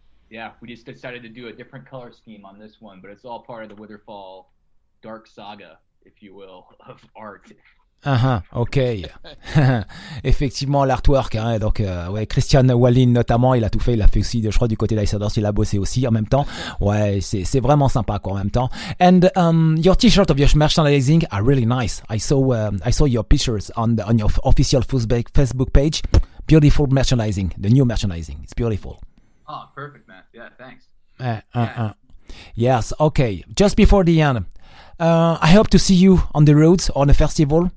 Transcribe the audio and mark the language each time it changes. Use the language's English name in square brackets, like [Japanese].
[English] We just decided to do a different color scheme on this one, but it's all part of the Witherfall dark saga, if you will, of art. Ok. [French] Effectivement, l'artwork, hein, donc ouais, Christian Wallin notamment, il a tout fait, il a fait aussi, je crois, du côté d'Icerdors, il a bossé aussi en même temps. Ouais, c'est vraiment sympa, quoi, en même temps. [English] And your t-shirt of your merchandising are really nice. I saw your pictures on your official Facebook page. Beautiful merchandising, the new merchandising. It's beautiful. Oh, perfect, man. Yeah, thanks. Yes, okay. Just before the end, I hope to see you on the roads, on the festival.